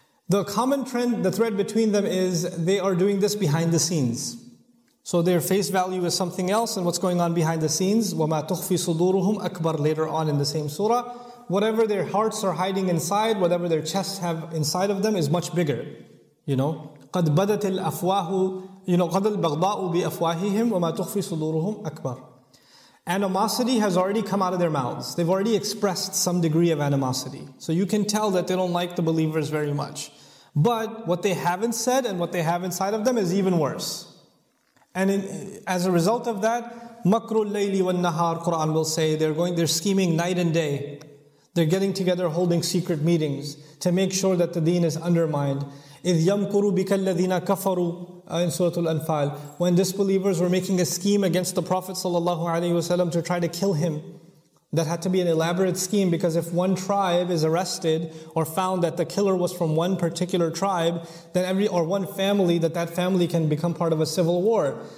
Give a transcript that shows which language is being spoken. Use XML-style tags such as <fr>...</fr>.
<en>The common trend, the thread between them is, they are doing this behind the scenes. So their face value is something else, and what's going on behind the scenes?</en> <ar>وَمَا تُخْفِي صُدُورُهُمْ أَكْبَرُ.</ar> <en>Later on in the same surah, whatever their hearts are hiding inside, whatever their chests have inside of them is much bigger. You know?</en> <ar>قَدْ بَدَتِ الْأَفْوَاهُ.</ar> <en>You know,</en> <ar>قَدَ الْبَغْضَاءُ بِأَفْوَاهِهِمْ وَمَا تُخْفِي صُدُورُهُمْ أَكْبَرُ.</ar> <en>Animosity has already come out of their mouths. They've already expressed some degree of animosity. So you can tell that they don't like the believers very much. But what they haven't said and what they have inside of them is even worse. And as a result of that,</en> <ar>مَكْرُ اللَّيْلِ وَالنَّهَارِ</ar> <en>Quran will say, they're scheming night and day. They're getting together, holding secret meetings to make sure that the deen is undermined.</en> <ar>إِذْ يَمْكُرُ بِكَ الَّذِينَ كَفَرُوا</ar> <en>in Surah Al-Anfal. When disbelievers were making a scheme against the Prophet ﷺ to try to kill him, that had to be an elaborate scheme, because if one tribe is arrested or found that the killer was from one particular tribe, then one family can become part of a civil war.</en>